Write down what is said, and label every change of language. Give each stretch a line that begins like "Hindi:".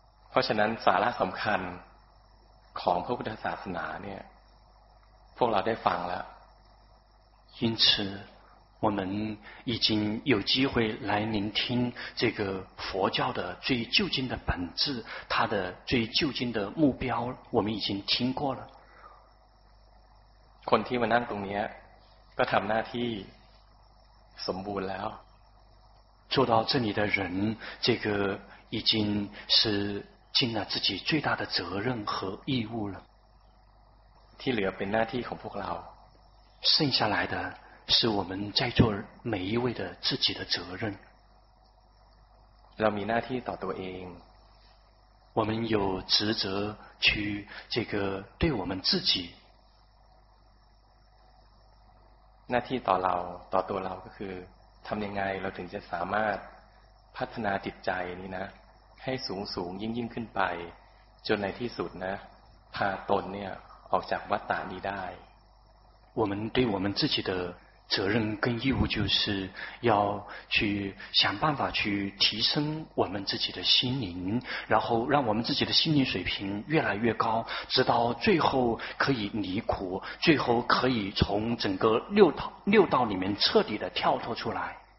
Thai: เพราะฉะนั้นสาระสำคัญของพระพุทธศาสนาเนี่ยพวกเราได้ฟังแล้ว
Chinese: 因此我们已经有机会来聆听这个佛教的最究竟的本质它的最究竟的目标我们已经听过了
Thai: คนที่มานั่งตรงนี้ก็ทำหน้าที่สมบูรณ์แล้ว
Chinese: 坐到这里的人这个已经是尽了自己最大的责任和义务了。
Thai: ที่เหลือเป็นหน้าที่ของพวกเรา
Chinese: 剩下来的是我们在座每一位的自己的责任。
Thai: เรามีหน้าที่ต่อตัวเอง
Chinese: 我们有职责去这个对我们自己。
Thai: หน้าที่ต่อเราต่อตัวเราก็คือทำยังไงเราถึงจะสามารถพัฒนาจิตใจนี้นะให้สูงสูงยิ่งยิ่งขึ้นไปจนในที่สุดนะพาตนเนี่ยออกจากวัฏฏะนี้ได้
Chinese: 我们对我们自己的责任跟义务就是要去想办法去提升我们自己的心灵然后让我们自己的心灵水平越来越高直到最后可以离苦最后可以从整个六道里面彻底的跳脱出来